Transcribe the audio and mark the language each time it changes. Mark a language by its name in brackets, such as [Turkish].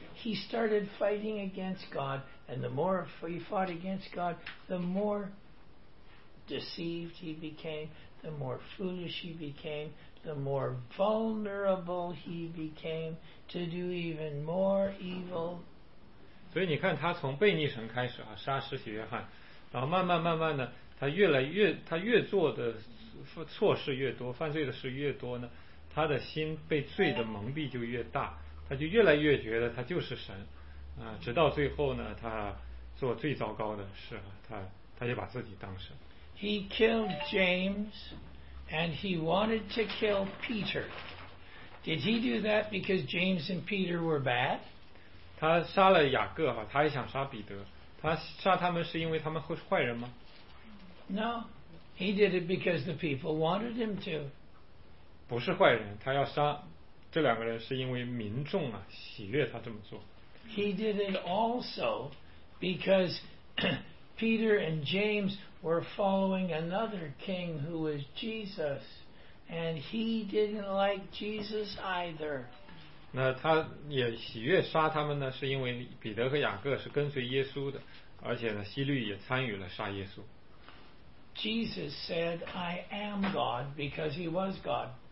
[English] He started fighting against God, and the more he fought against God, the more deceived he became, the more foolish he became, the more vulnerable he became to do even more evil. [Chinese] 所以你看他从悖逆神开始啊，杀施洗约翰，然后慢慢慢慢的，他越做的错事越多，犯罪的事越多呢。他的心被罪的蒙蔽就越大，他就越来越觉得他就是神，直到最后呢，他做最糟糕的事，他就把自己当神。 [English] He killed James, and he wanted to kill Peter. Did he do that because James and Peter were bad? [Chinese] 他杀了雅各，他还想杀彼得，他杀他们是因为他们是坏人吗 [English] ？No, he did it because the people wanted him to. [Chinese] 不是坏人，他要杀这两个人是因为民众啊喜悦他这么做。 [English] He did it also because Peter and James were following another king who was Jesus, and he didn't like Jesus either. [Chinese] 那他也喜悦杀他们呢，是因为彼得和雅各是跟随耶稣的，而且呢，希律也参与了杀耶稣。 [English] Jesus said, "I am God," because he was God.